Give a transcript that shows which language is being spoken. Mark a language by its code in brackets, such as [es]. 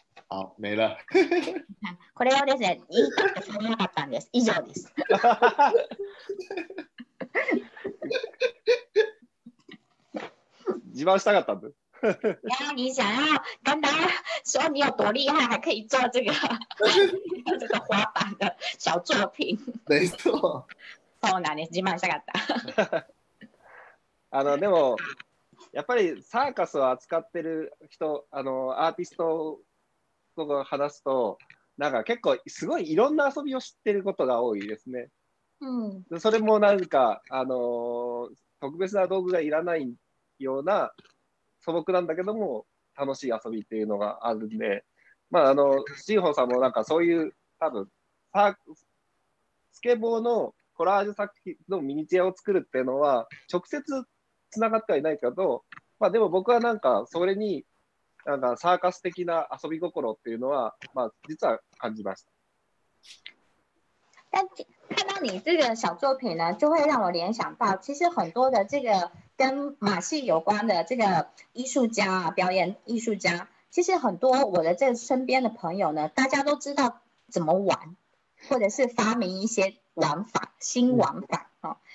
[ja] あ、メラ。これはですね、言いたくてしょうがなかったんです。以上です。自慢したかったんです。 [zh] いや、你想要跟他说你有多厉害，还可以做这个这个滑板的小作品。没错。 [ja] そうなんです。自慢したかった。でもやっぱりサーカスを扱ってる人、アーティストとか話すと、なんか結構すごいいろんな遊びを知ってることが多いですね。うん。それもなんか特別な道具がいらないような素朴なんだけども楽しい遊びっていうのがあるんで、シンホさんもなんかそういう多分スケボーのコラージュ作品のミニチュアを作るっていうのは直接つながってはいないけど、でも僕はなんかそれになんかサーカス的な遊び心っていうのは実は感じました。 [zh] 但看到你这个小作品呢，就会让我联想到，其实很多的这个跟马戏有关的这个艺术家啊，表演艺术家，其实很多我的这身边的朋友呢，大家都知道怎么玩，或者是发明一些玩法，新玩法啊。